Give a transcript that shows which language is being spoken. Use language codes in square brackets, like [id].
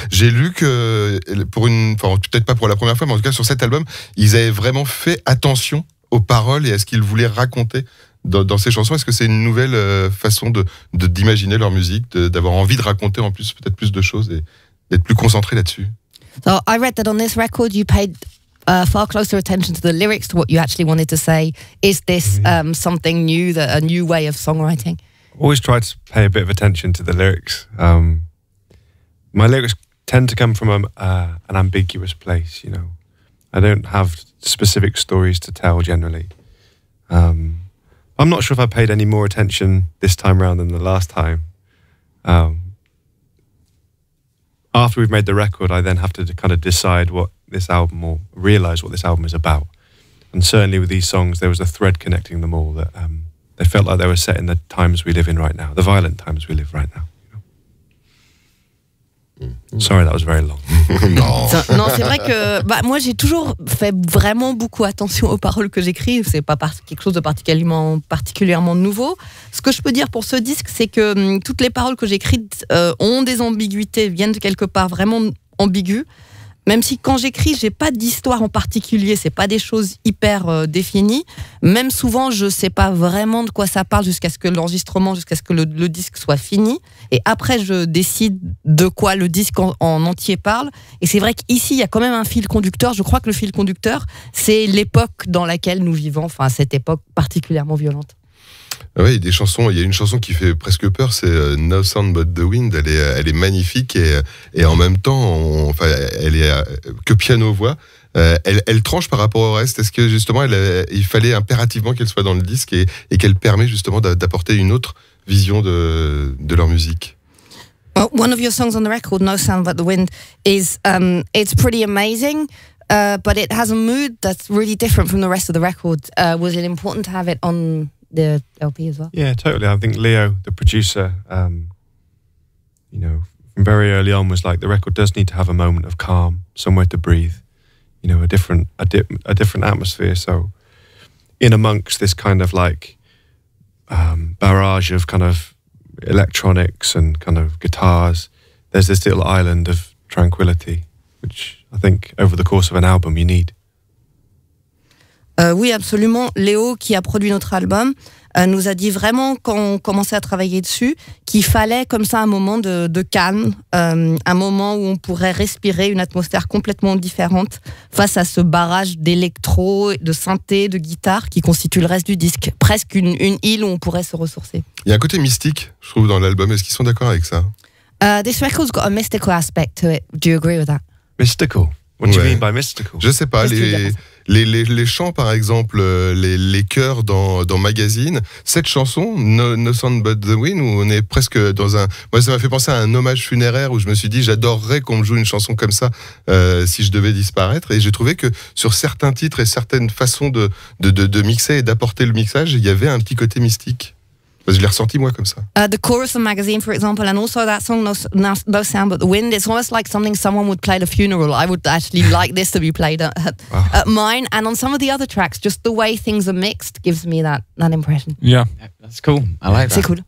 [fr] J'ai lu que peut-être pas pour la première fois, mais en tout cas sur cet album, ils avaient vraiment fait attention aux paroles et à ce qu'ils voulaient raconter dans ces chansons. Est-ce que c'est une nouvelle façon d'imaginer leur musique, d'avoir envie de raconter en plus peut-être plus de choses et d'être plus concentré là-dessus? [en] So I read that on this record you paid far closer attention to the lyrics, to what you actually wanted to say. Is this something new, a new way of songwriting? Always try to pay a bit of attention to the lyrics. My lyrics tend to come from an ambiguous place, you know. I don't have specific stories to tell generally. I'm not sure if I paid any more attention this time round than the last time. After we've made the record, I then have to kind of decide what this album, or realize what this album is about. And certainly with these songs, there was a thread connecting them all that they felt like they were set in the times we live in right now, the violent times we live right now. Sorry, that was very long. [fr] Non, c'est vrai que moi j'ai toujours fait vraiment beaucoup attention aux paroles que j'écris. C'est pas quelque chose de particulièrement nouveau. Ce que je peux dire pour ce disque, c'est que toutes les paroles que j'écris ont des ambiguïtés, viennent de quelque part vraiment ambiguës. Même si quand j'écris, j'ai pas d'histoire en particulier, c'est pas des choses hyper définies. Même souvent, je sais pas vraiment de quoi ça parle jusqu'à ce que l'enregistrement, jusqu'à ce que le disque soit fini. Et après, je décide de quoi le disque en entier parle. Et c'est vrai qu'ici, il y a quand même un fil conducteur. Je crois que le fil conducteur, c'est l'époque dans laquelle nous vivons, enfin cette époque particulièrement violente. Oui, des chansons. Il y a une chanson qui fait presque peur, c'est No Sound But The Wind. Elle est magnifique et en même temps, elle est que piano-voix. Elle tranche par rapport au reste. Est-ce que justement, il fallait impérativement qu'elle soit dans le disque et qu'elle permet justement d'apporter une autre vision de leur musique? [en] Well, one of your songs on the record, No Sound But The Wind, is it's pretty amazing. But it has a mood that's really different from the rest of the record. Was it important to have it on the LP as well? Yeah, totally. I think Leo, the producer, from very early on was like, the record does need to have a moment of calm, somewhere to breathe, you know, a different atmosphere. So in amongst this kind of like barrage of kind of electronics and kind of guitars, there's this little island of tranquility, which I think over the course of an album you need. [fr] Oui, absolument. Léo, qui a produit notre album, nous a dit vraiment quand on commençait à travailler dessus qu'il fallait comme ça un moment de calme, un moment où on pourrait respirer une atmosphère complètement différente face à ce barrage d'électro, de synthé, de guitare qui constitue le reste du disque. Presque une île où on pourrait se ressourcer. Il y a un côté mystique, je trouve, dans l'album. Est-ce qu'ils sont d'accord avec ça? [en] This record's got a mystical aspect to it. Do you agree with that? Mystical? What do you mean by mystical? [fr] Je sais pas. Les chants, par exemple, les chœurs dans Magazine, cette chanson, No Sound But The Wind, où on est presque dans un... Moi, ça m'a fait penser à un hommage funéraire où je me suis dit, j'adorerais qu'on me joue une chanson comme ça si je devais disparaître. Et j'ai trouvé que sur certains titres et certaines façons de mixer et d'apporter le mixage, il y avait un petit côté mystique. Je l'ai ressenti, moi, comme ça. [en] The chorus of Magazine, for example, and also that song, No Sound But The Wind, it's almost like something someone would play at a funeral. I would actually like this to be played at mine. And on some of the other tracks, just the way things are mixed gives me that impression. Yeah. That's cool. I like that. [fr] C'est cool.